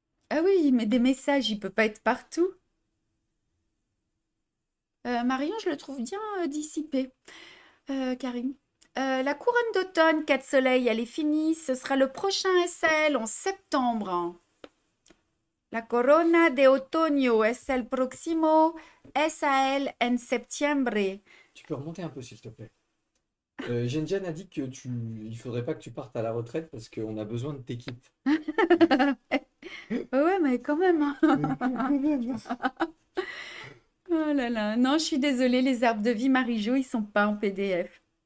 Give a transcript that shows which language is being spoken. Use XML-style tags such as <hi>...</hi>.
<fr>Ah oui, il met des messages, il ne peut pas être partout. Marion, je le trouve bien dissipé. Karim. La couronne d'automne, quatre soleils, elle est finie. Ce sera le prochain SL en septembre.</fr> <es>La corona de otoño es el próximo SAL en septiembre.</es> <fr>Tu peux remonter un peu, s'il te plaît. Jenjian a dit que il faudrait pas que tu partes à la retraite parce qu'on a besoin de t'équipe. Ouais, mais quand même. Hein. Même. Oh là là, non, je suis désolée, les arbres de vie Marie-Jo, ils sont pas en PDF.</fr>